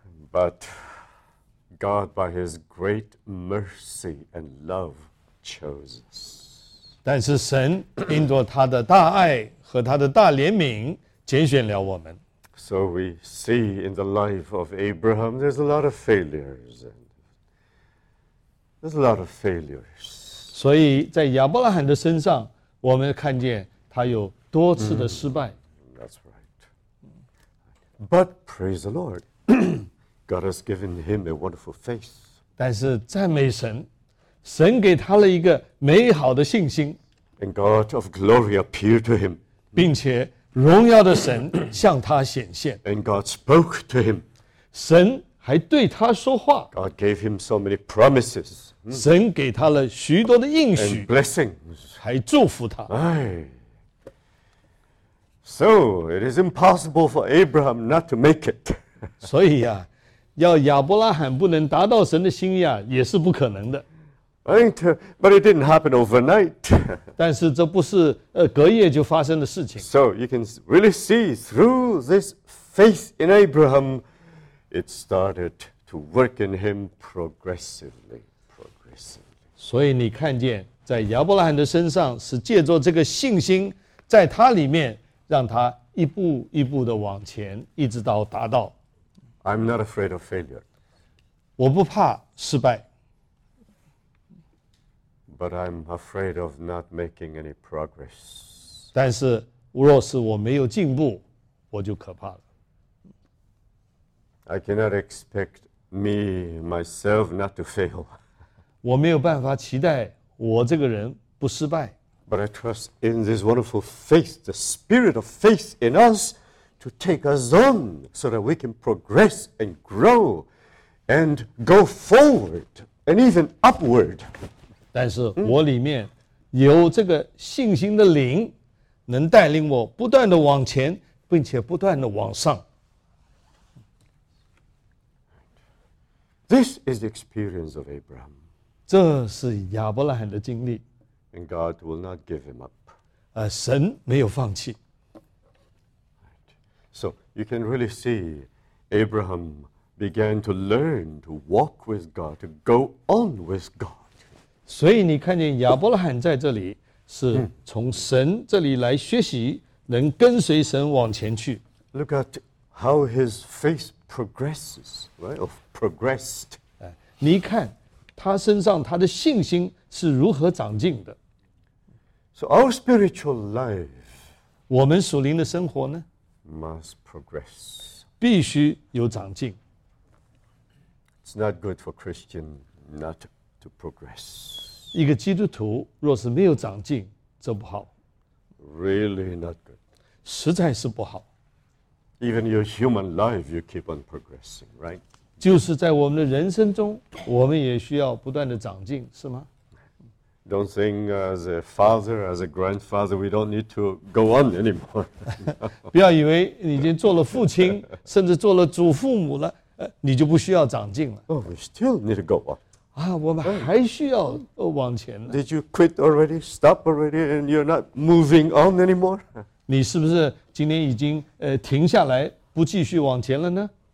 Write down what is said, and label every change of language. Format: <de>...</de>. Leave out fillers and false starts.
<en>But God, by His great mercy and love, chose us.</en> <zh>但是神因着他的大爱和他的大怜悯拣选了我们。</zh> <en>So we see in the life of Abraham there's a lot of failures. There's a lot of failures.</en> <zh>所以在亚伯拉罕的身上我们看见他有多次的失败。</zh> <en>That's right. But praise the Lord, God has given him a wonderful faith.</en> <zh>但是赞美神，神给他了一个美好的信心。</zh> <en>And God of glory appeared to him.</en> <zh>并且荣耀的神向他显现。</zh> <en>And God spoke to him.</en> <zh>神还对他说话。</zh> <en>God gave him so many promises.</en> <zh>神给他了许多的应许。</zh> <en>And blessings.</en> <zh>还祝福他。</zh> <en>So it is impossible for Abraham not to make it.</en> <zh>所以啊，要亚伯拉罕不能达到神的心意啊，也是不可能的。</zh> <en>Right, but it didn't happen overnight.</en> <zh>但是这不是隔夜就发生的事情。</zh> <en>So you can really see through this faith in Abraham, it started to work in him progressively, progressively.</en> <zh>所以你看见在亚伯拉罕的身上是借着这个信心在他里面让他一步一步的往前一直到达到。</zh> <en>I'm not afraid of failure.</en> <zh>我不怕失败。</zh> <en>But I'm afraid of not making any progress.</en> <zh>但是若是我没有进步我就可怕了。</zh> <en>I cannot expect me, myself not to fail.</en> <zh>我没有办法期待我这个人不失败。</zh> <en>But I trust in this wonderful faith, the spirit of faith in us, to take us on so that we can progress and grow and go forward and even upward.</en> <zh>但是我里面有这个信心的灵能带领我不断的往前并且不断的往上。</zh> <en>This is the experience of Abraham.</en> <zh>这是亚伯拉罕的经历。</zh> <en>And God will not give him up.</en> <zh>神没有放弃。</zh> <en>So you can really see Abraham began to learn to walk with God, to go on with God.</en> <zh>所以你看见亚伯拉罕在这里是从神这里来学习能跟随神往前去。</zh> <en>Look at how his faith progresses, right? Or progressed.</en> <zh>你看他身上他的信心是如何长进的。</zh> <en>So our spiritual life,</en> <zh>我们属灵的生活呢</zh> <en>must progress.</en> <zh>必须有长进。</zh> <en>It's not good for Christian not to progress.</en> <zh>一个基督徒若是没有长进，这不好。</zh> <en>Really not good.</en> <zh>实在是不好。</zh> <en>Even your human life, you keep on progressing, right?</en> <zh>就是在我们的人生中，我们也需要不断的长进，是吗？</zh> <en>Don't think as a father, as a grandfather, we don't need to go on anymore.</en> <zh>不要以为你已经做了父亲，甚至做了祖父母了，你就不需要长进了。</zh> <en>Oh, we still need to go on.</en> <zh>啊，我们还需要往前呢。</zh> <en>Did you quit already? Stop already? And you're not moving on anymore?</en> <zh>你是不是今天已经停下来，不继续往前了呢？</zh>